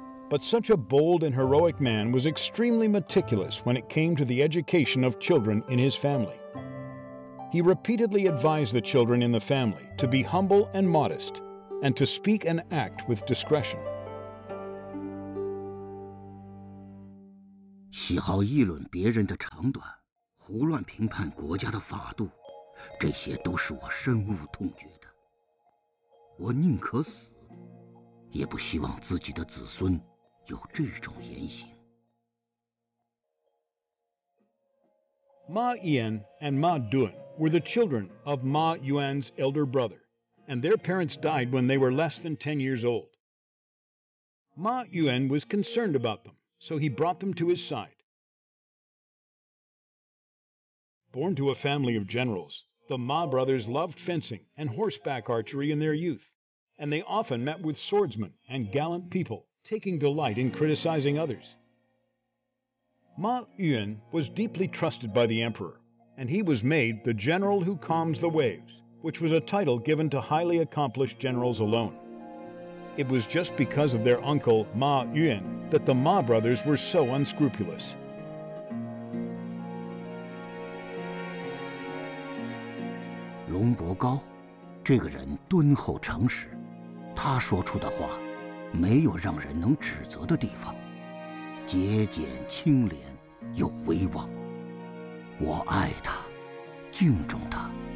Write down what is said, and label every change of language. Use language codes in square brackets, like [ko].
[en] But such a bold and heroic man was extremely meticulous when it came to the education of children in his family. He repeatedly advised the children in the family to be humble and modest, and to speak and act with discretion. [zh] 喜好议论别人的长短，胡乱评判国家的法度，这些都是我深恶痛绝的。我宁可死，也不希望自己的子孙有这种言行。 [en] Ma Yan and Ma Duan were the children of Ma Yuan's elder brother, and their parents died when they were less than 10 years old. Ma Yuan was concerned about them, so he brought them to his side. Born to a family of generals, the Ma brothers loved fencing and horseback archery in their youth, and they often met with swordsmen and gallant people, taking delight in criticizing others. Ma Yuan was deeply trusted by the emperor, and he was made the general who calms the waves, which was a title given to highly accomplished generals alone. It was just because of their uncle, Ma Yuan, that the Ma brothers were so unscrupulous. [zh] 龙伯高，这个人敦厚诚实，他说出的话没有让人能指责的地方，节俭清廉又威望。我爱他，敬重他，